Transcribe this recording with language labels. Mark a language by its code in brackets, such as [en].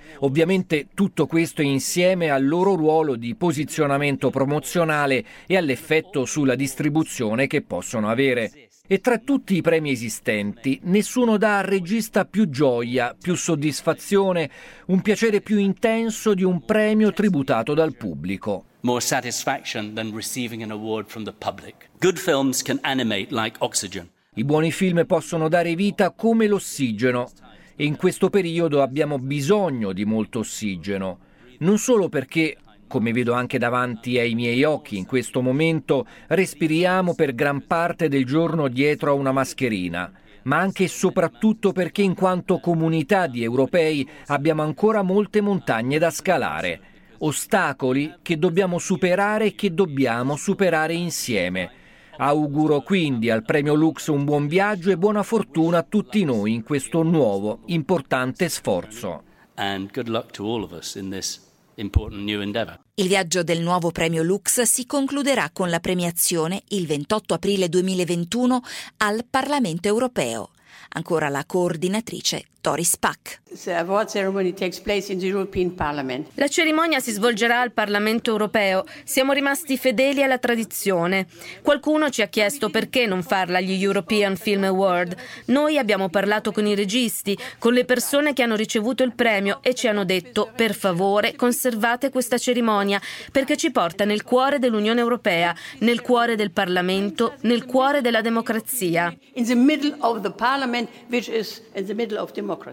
[it] Ovviamente tutto questo insieme al loro ruolo di posizionamento promozionale e all'effetto sulla distribuzione che possono avere. E tra tutti i premi esistenti, nessuno dà al regista più gioia, più soddisfazione, un piacere più intenso di un premio tributato dal pubblico. [en] More satisfaction than receiving an award from the public. Good films can animate like oxygen. [it] I buoni film possono dare vita come l'ossigeno. E in questo periodo abbiamo bisogno di molto ossigeno. Non solo perché, come vedo anche davanti ai miei occhi in questo momento, respiriamo per gran parte del giorno dietro a una mascherina, ma anche e soprattutto perché in quanto comunità di europei abbiamo ancora molte montagne da scalare, ostacoli che dobbiamo superare e che dobbiamo superare insieme. Auguro quindi al Premio Lux un buon viaggio e buona fortuna a tutti noi in questo nuovo, importante sforzo. [en] And good luck to all of us in this important new endeavor. [it] Il viaggio del nuovo Premio Lux si concluderà con la premiazione il 28 aprile 2021 al Parlamento Europeo. Ancora la coordinatrice Tori Spack. La cerimonia si svolgerà al Parlamento Europeo. Siamo rimasti fedeli alla tradizione. Qualcuno ci ha chiesto perché non farla agli European Film Award. Noi abbiamo parlato con i registi, con le persone che hanno ricevuto il premio e ci hanno detto, per favore, conservate questa cerimonia perché ci porta nel cuore dell'Unione Europea, nel cuore del Parlamento, nel cuore della democrazia. [en] In the middle of the Parliament, which is in the middle of the...